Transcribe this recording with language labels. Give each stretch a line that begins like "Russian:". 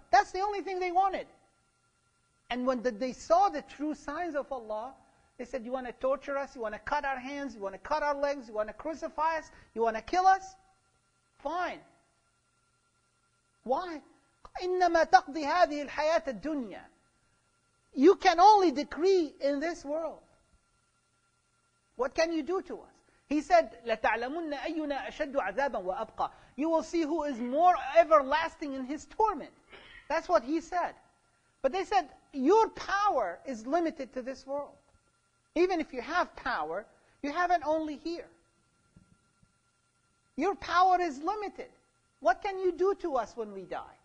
English: That's the only thing they wanted. And when they saw the true signs of Allah, they said, you want to torture us, you want to cut our hands, you want to cut our legs, you want to crucify us, you want to kill us? Fine. Why?
Arabic: إِنَّمَا تَقْضِي هَذِهِ الْحَيَاةَ الدُّنْيَا.
English: You can only decree in this world. What can you do to us? He said,
Arabic: لَتَعْلَمُنَّ أَيُّنَا أَشَدُّ عَذَابًا وَأَبْقَى.
English: You will see who is more everlasting in his torment. That's what he said. But they said, your power is limited to this world. Even if you have power, you have it only here. Your power is limited. What can you do to us when we die?